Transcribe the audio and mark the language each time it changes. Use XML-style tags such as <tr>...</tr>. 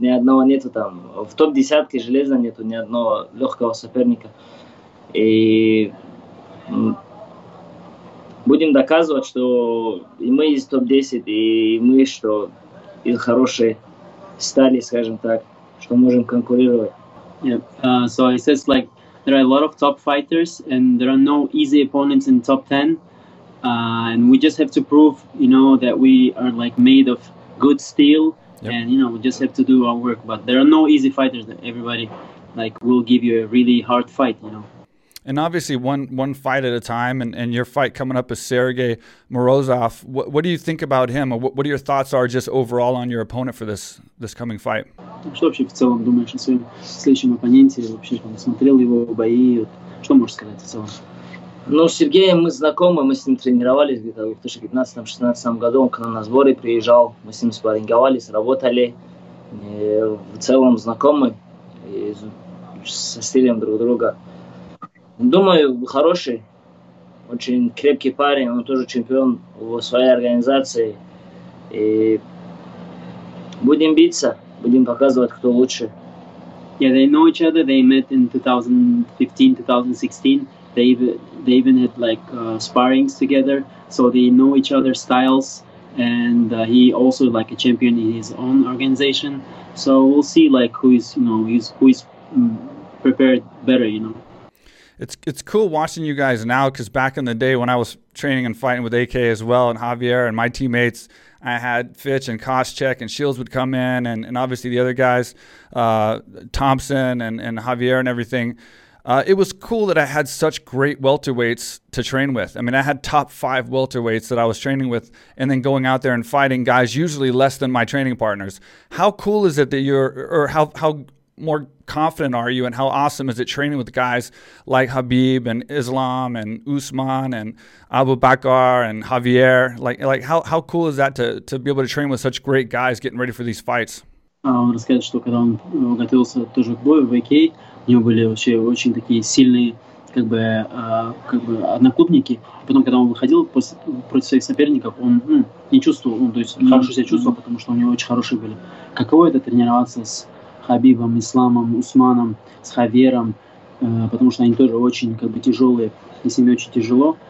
<ru>Ни одного нету там. В топ-десятке железа нету ни одного легкого соперника. И будем доказывать, что и мы из топ-10, и мы, что из хорошей стали, скажем так, что можем конкурировать.</ru> <en>So it says like there are a lot of top fighters and there are no easy opponents in top 10, and we just have to prove, you know, that we are like made of good steel, and you know, we just have to do our work. But there are no easy fighters. That everybody like will give you a really hard fight, you know. And obviously one fight at a time, and your fight coming up is Sergey Morozov. What do you think about him, or what are your thoughts are just overall on your opponent for this coming fight?</en> <ru>Что вообще в целом думаешь о своем следующем оппоненте? Вообще там смотрел его бои, вот, что можешь сказать в целом? Ну, с Сергеем мы знакомы, мы с ним тренировались где-то в 2015-16 году, он к нам на сборы приезжал, мы с ним спарринговались, работали, и в целом знакомы со стилем друг друга. Думаю, хороший, очень крепкий парень, он тоже чемпион в своей организации, и будем биться. Будем показывать, кто лучше.</ru> <en>Yeah, they know each other. They met in 2015, 2016. They even had like sparrings together, so they know each other's styles. And he also like a champion in his own organization. So we'll see like who is prepared better, you know. It's cool watching you guys now, because back in the day when I was training and fighting with AK as well and Javier and my teammates, I had Fitch and Koscheck and Shields would come in, and obviously the other guys, Thompson and Javier and everything. It was cool that I had such great welterweights to train with. I mean, I had top five welterweights that I was training with, and then going out there and fighting guys usually less than my training partners. How cool is it that you're, or how more confident are you, and how awesome is it training with guys like Habib and Islam and Usman and Abu Bakr and Javier? Like how cool is that to be able to train with such great guys getting ready for these fights?</en> <ru>Он рассказывает, что когда он готовился тоже к бою в AK, у него были вообще очень такие сильные как бы однокупники. Потом, когда он выходил против своих соперников, он не чувствовал, ну, то есть хорошо себя чувствовал, потому что у него очень хорошие были. Каково это тренироваться с Хабибом, Исламом, Усманом, с Хавером, потому что они тоже очень как бы тяжелые, и с ними очень тяжело.</ru>